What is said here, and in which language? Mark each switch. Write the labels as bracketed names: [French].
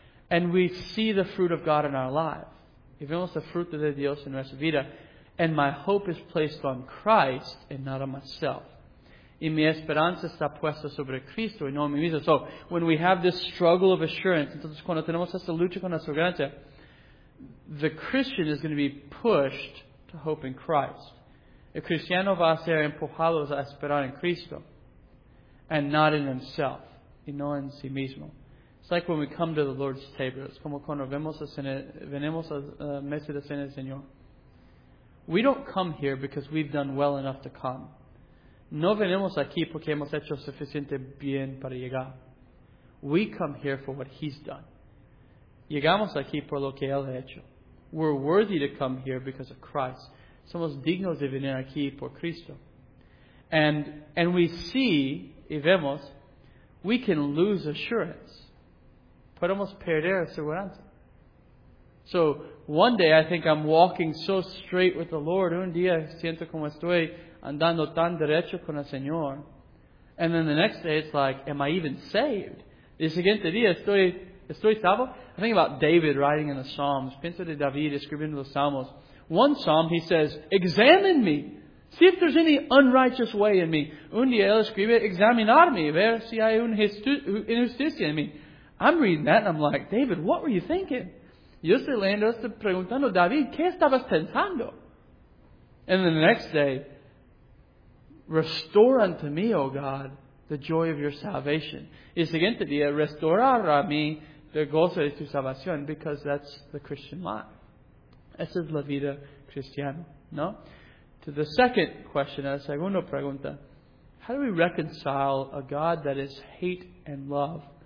[English] And we see the fruit of God in our lives. [Spanish] Y vemos el fruto de Dios en nuestra vida. [English] And my hope is placed on Christ and not on myself. [Spanish] Y mi esperanza está puesta sobre Cristo y no en mí mismo. [English] So, when we have this struggle of assurance, [Spanish] entonces cuando tenemos esta lucha con nuestra garganta, [English] the Christian is going to be pushed to hope in Christ. [Spanish] El cristiano va a ser empujado a esperar en Cristo [English] and not in himself [Spanish] y no en sí mismo. [English] It's like when we come to the Lord's table. It's [Spanish] como cuando venimos a la mesa de cena del Señor. [English] We don't come here because we've done well enough to come. [Spanish] No venimos aquí porque hemos hecho suficiente bien para llegar. [English] We come here for what He's done. [Spanish] Llegamos aquí por lo que Él ha hecho. [English] We're worthy to come here because of Christ. [Spanish] Somos dignos de venir aquí por Cristo. [English] And we see, [Spanish] y vemos, [English] we can lose assurance. [Spanish] Podemos perder seguridad. [English] So, one day I think I'm walking so straight with the Lord. [Spanish] Un día siento como estoy andando tan derecho con el Señor. [English] And then the next day it's like, am I even saved? [Spanish] El siguiente día estoy salvo. [English] I think about David writing in the Psalms. [Spanish] Pienso de David escribiendo los Salmos. [English] One Psalm he says, examine me. See if there's any unrighteous way in me. [Spanish] Un día él escribe, examinarme. Ver si hay una injusticia en mí. [English] I'm reading that and I'm like, David, what were you thinking? [Spanish] Yo estoy leyendo esto preguntando, David, ¿qué estabas pensando? [English] And then the next day, restore unto me, oh God, the joy of your salvation. [Spanish] Y el siguiente día, restaurar a mí el gozo de tu salvación, [English] because that's the Christian life. [Spanish] Esa es la vida cristiana, ¿no? [English] To the second question, [Spanish] a la segunda pregunta, [English] how do we reconcile a God that is hate and love?